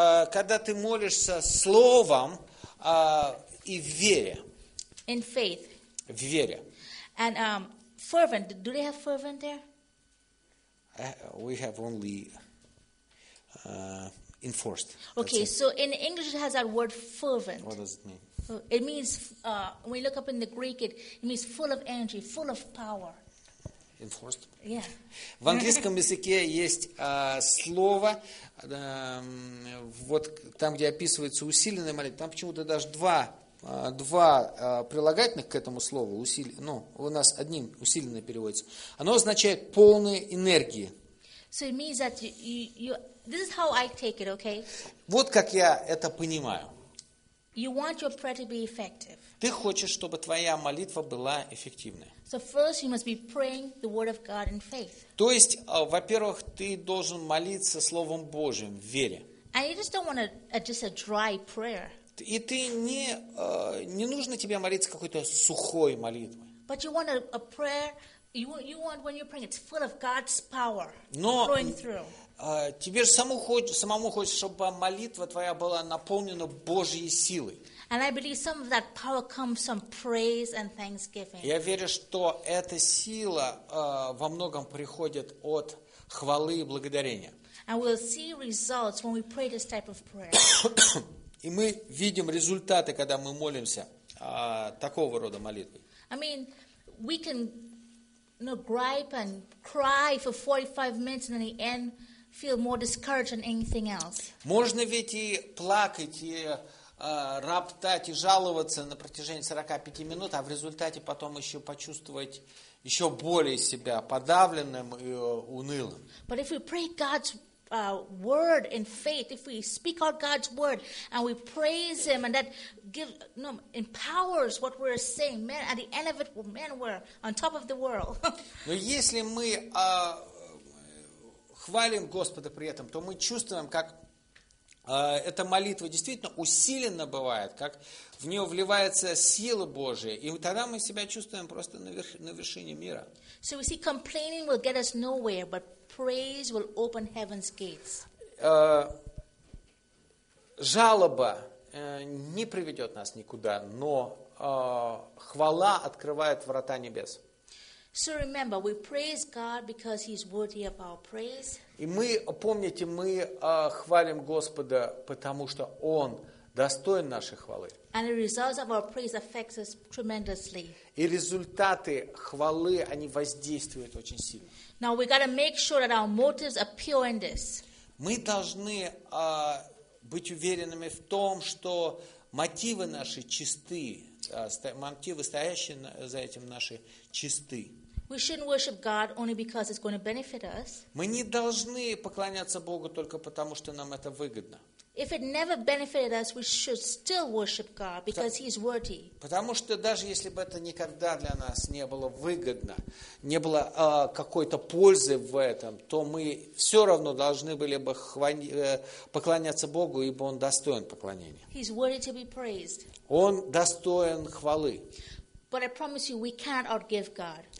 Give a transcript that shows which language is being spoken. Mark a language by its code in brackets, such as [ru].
[ru] Когда ты молишься словом и в вере. [en] In faith. [ru] В вере. [en] And fervent. Do they have fervent there? We have only enforced. Okay, so in English it has that word fervent. What does it mean? It means, when you look up in the Greek, it means full of energy, full of power. Enforced? Yeah. [ru] В английском языке есть слово, вот там, где описывается усиленная молитва, там почему-то даже два прилагательных к этому слову, ну, у нас одним усиленное переводится, оно означает полное энергии. [en] So it means that you, this is how I take it, okay? [ru] Вот как я это понимаю. [en] You want your prayer to be effective. [ru] Ты хочешь, чтобы твоя молитва была эффективной. [en] So first you must be praying the word of God in faith. [ru] То есть, во-первых, ты должен молиться Словом Божьим в вере. [en] And you just don't want just a dry prayer. [ru] И ты не нужно тебе молиться какой-то сухой молитвой. [en] But you want a prayer, you want when you're praying, it's full of God's power flowing through. [ru] Тебе же самому хочется, чтобы молитва твоя была наполнена Божьей силой. [en] And I believe some of that power comes from praise and thanksgiving. [ru] Я верю, что эта сила во многом приходит от хвалы и благодарения. [en] And we'll see results when we pray this type of prayer. [ru] И мы видим результаты, когда мы молимся такого рода молитвой. [en] I mean, we can gripe and cry for 45 minutes and in the end feel more discouraged than anything else. [ru] Можно ведь и плакать, и роптать, и жаловаться на протяжении 45 минут, а в результате потом еще почувствовать еще более себя подавленным и унылым. [en] But if we pray God's word in faith, if we speak out God's word and we praise Him, and that empowers what we're saying, man, at the end of it, man, we're on top of the world. [ru] Но если мы хвалим Господа при этом, то мы чувствуем, как эта молитва действительно усиленно бывает, как в нее вливается сила Божия, и тогда мы себя чувствуем просто на вершине мира. [en] So we see complaining will get us nowhere, but praise will open heaven's gates. [ru] Жалоба не приведет нас никуда, но хвала открывает врата небес. [en] So remember, we praise God because He's worthy of our praise. [ru] И мы, помните, мы хвалим Господа, потому что Он достоин нашей хвалы. [en] And the results of our praise affects us tremendously. [ru] И результаты хвалы, они воздействуют очень сильно. [en] Now we got to make sure that our motives are pure in this. [ru] Мы должны быть уверенными в том, что мотивы наши чисты, мотивы, стоящие за этим, наши чисты. [en] We shouldn't worship God only because it's going to benefit us. [ru] Мы не должны поклоняться Богу только потому, что нам это выгодно. [en] If it never benefited us, we should still worship God because He's worthy. [ru] Потому что даже если бы это никогда для нас не было выгодно, не было какой-то пользы в этом, то мы все равно должны были бы поклоняться Богу, ибо Он достоин поклонения. [en] He's worthy to be praised. [ru] Он достоин хвалы. [en] But I promise you, we can't outgive God.